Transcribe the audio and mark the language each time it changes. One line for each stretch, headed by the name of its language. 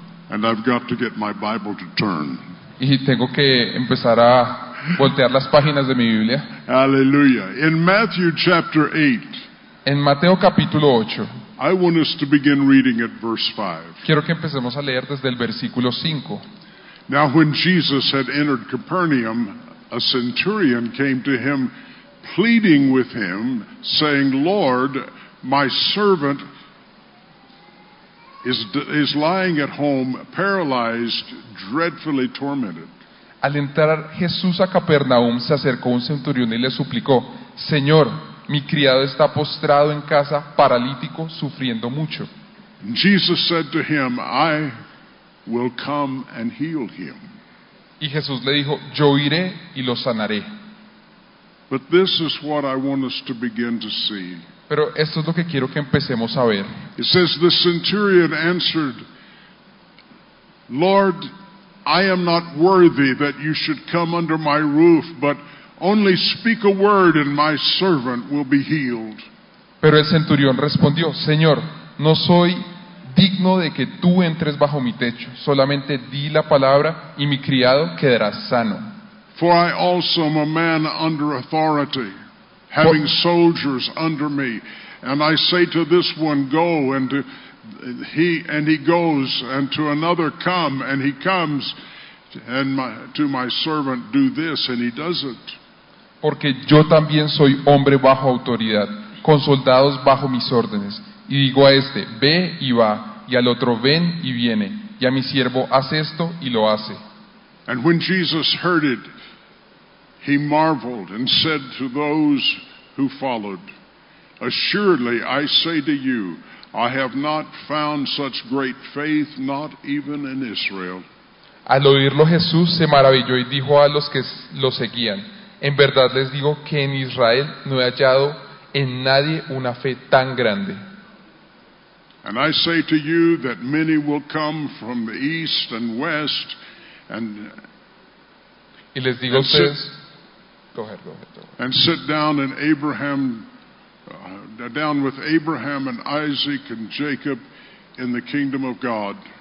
English: And I've got to get my Bible to turn.
Spanish: Y tengo que empezar a voltear las páginas de mi Biblia.
English: Aleluya. In Matthew chapter 8.
Spanish: En Mateo capítulo 8.
English: I want us to begin reading at verse 5.
Spanish: Quiero que empecemos a leer desde el versículo 5.
English: Now when Jesus had entered Capernaum, a centurion came to him, pleading with him, saying, Lord, my servant is lying at home, paralyzed, dreadfully tormented.
Spanish: Al entrar Jesús a Capernaum, se acercó un centurión y le suplicó, Señor, mi criado está postrado en casa, paralítico, sufriendo mucho.
English: Jesus said to him, I will come and heal him.
Spanish: Y Jesús le dijo, yo iré y lo sanaré.
English: But this is what I want us to begin to see.
Spanish: Pero esto es lo que quiero que empecemos a ver.
English: It says, the centurion answered, Lord, I am not worthy that you should come under my roof, but only speak a word and my servant will be healed.
Spanish: Pero el centurión respondió, Señor, no soy digno de que tú entres bajo mi techo. Solamente di la palabra y mi criado quedará sano.
English: For I also am a man under authority, having soldiers under me. And I say to this one, go, and he goes, and to another, come, and he comes, and to my servant, do this, and he does it.
Spanish: Porque yo también soy hombre bajo autoridad, con soldados bajo mis órdenes. Y digo a este, ve y va, y al otro, ven y viene. Y a mi siervo, haz esto y lo hace.
English: And when Jesus heard it, he marveled and said to those who followed, assuredly, I say to you, I have not found such great faith, not even in Israel.
Spanish: Al oírlo Jesús se maravilló y dijo a los que lo seguían, en verdad les digo que en Israel no he hallado en nadie una fe tan grande.
English: And I say to you that many will come from the east and west and,
Spanish: y les digo
English: and,
Spanish: ustedes,
English: go ahead. And sit down in Abraham, down with Abraham and Isaac and Jacob in the kingdom of God.